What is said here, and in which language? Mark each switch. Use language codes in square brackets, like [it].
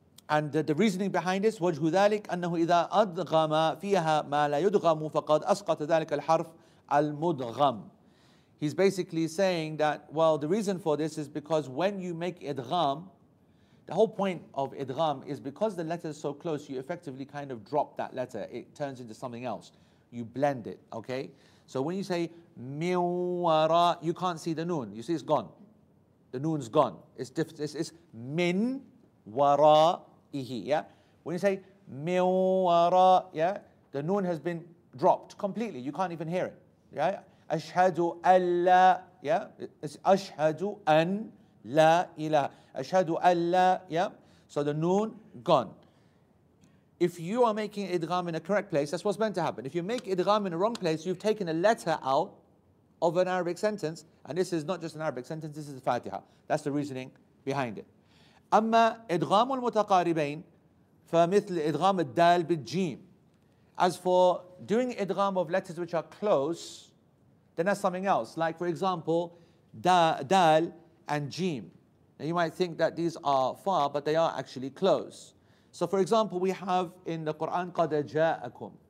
[en] And the reasoning behind this, [ar] وجه ذلك أنه إذا أدغم فيها ما لا يدغم فقد أسقط ذلك الحرف المدغم. [en] He's basically saying that, well, the reason for this is because when you make idgham, the whole point of idgham is because the letter is so close, you effectively kind of drop that letter. It turns into something else. You blend it, okay? So when you say min wara, you can't see the noon. You see it's gone. The noon's gone. It's min wara. Yeah, when you say miwara, yeah, the noon has been dropped completely. You can't even hear it. Yeah, ashhadu alla, yeah, it's ashhadu an la ilaha. Ashhadu alla, yeah. So the noon gone. If you are making idgham in a correct place, that's what's meant to happen. If you make idgham in the wrong place, you've taken a letter out of an Arabic sentence, and this is not just an Arabic sentence. This is the Fatiha. That's the reasoning behind it. [ar] أما إدغام المتقاربين فمثل إدغام الدال بالجيم. [en] As for doing إدغام of letters which are close, then that's something else. Like for example, دال and جيم. Now you might think that these are far, but they are actually close. So for example, we have in the Quran [ar] قد جاءكم.